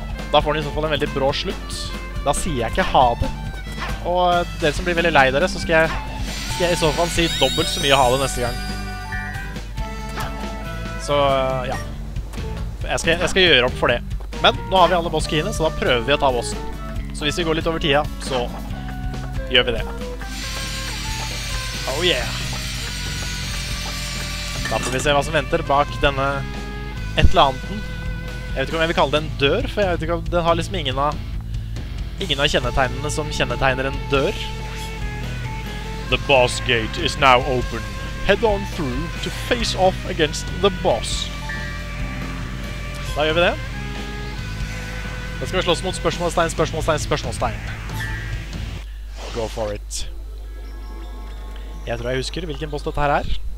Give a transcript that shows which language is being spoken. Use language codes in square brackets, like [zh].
[no] Da får den i så fall en veldig brå slutt. Da sier jeg ikke ha det. Og dere som blir veldig lei dere, så skal jeg i så fall si dobbelt så mye ha det neste gang. Så ja, jeg skal gjøre opp for det. Men nå har vi alle bosskiene, så da prøver vi å ta bossen. Så hvis vi går litt over tida, så... Gjør vi det. [en] Oh yeah! [no] Da får vi se hva som venter bak denne... et eller annet. Jeg vet ikke om jeg vil kalle det en dør, for jeg vet ikke om den har liksom ingen av kjennetegnene som kjennetegner en dør. [en] The boss gate is now open. Head on through to face off against the boss. [no] Da gjør vi det. Da skal vi slåss mot spørsmålstein. [en] Go for it. [no] Jeg tror jeg husker hvilken boss dette her er.